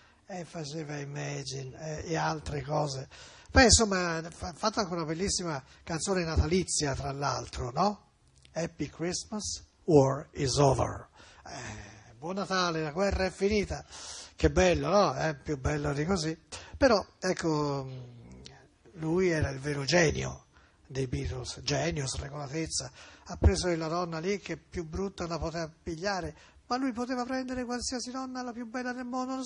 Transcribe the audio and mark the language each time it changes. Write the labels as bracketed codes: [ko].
[it] E faceva Imagine e altre cose. Beh, insomma, fatto anche una bellissima canzone natalizia, tra l'altro, no? [en] Happy Christmas, War is Over. [it] Buon Natale, la guerra è finita. Che bello, no? Più bello di così. Però, ecco, lui era il vero genio dei Beatles, genio, sregolatezza. Ha preso la donna lì che più brutta la poteva pigliare, ma lui poteva prendere qualsiasi donna, la più bella del mondo.